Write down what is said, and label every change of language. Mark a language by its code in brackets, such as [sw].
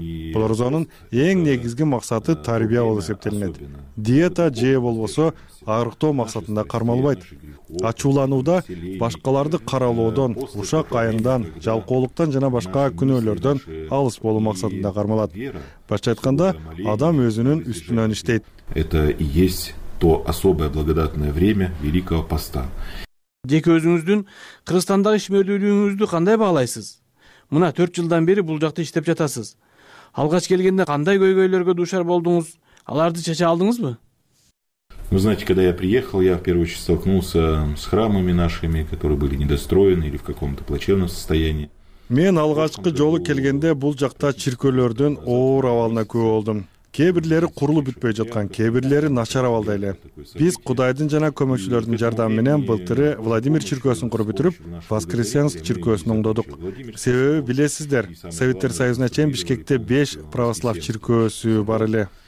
[ky] Бул орозонун эң негизги максаты тарбия болуп эсептелинет. Диета же болбосо арыктоо максатында кармалбайт. Ачууланууда, башкаларды каралоодон, ушак айындан, жалкоолуктан жана башка күнөөлөрдөн алыс болуу максатында кармалат. Башча айтканда, адам өзүнүн үстүнөн иштейт. [ru] Это и есть то особое благодатное время Великого Поста. [ky] Жеке өзүңүздүн Кыргызстандагы ишмердүүлүгүңүздү кандай баалайсыз? Мына 4 жылдан бери бул жакта иштеп жатасыз. Алгач келгенде кандай көйгөйлөргө дуушар болдуңуз? Аларды чече алдыңызбы? [ru] Вы знаете, когда я приехал, я в первую очередь столкнулся с храмами нашими, которые были недостроены или в каком-то плачевном состоянии. [ky] Мен алгачкы жолу келгенде бул жакта чиркөөлөрдүн оор абалына күбө болдум. Кээ бирлери курулуп бүтпөй жаткан, кээ бирлери начар абалда эле. Биз Кудайдын жана көмөкчүлөрдүн жардамы менен былтыр Владимир чиркөөсүн куруп бүтүрүп, Воскресенск чиркөөсүн оңдодук. Себеби билесиздер, Советтер Союзуна чейин Бишкекте 5 православ чиркөөсү бар эле.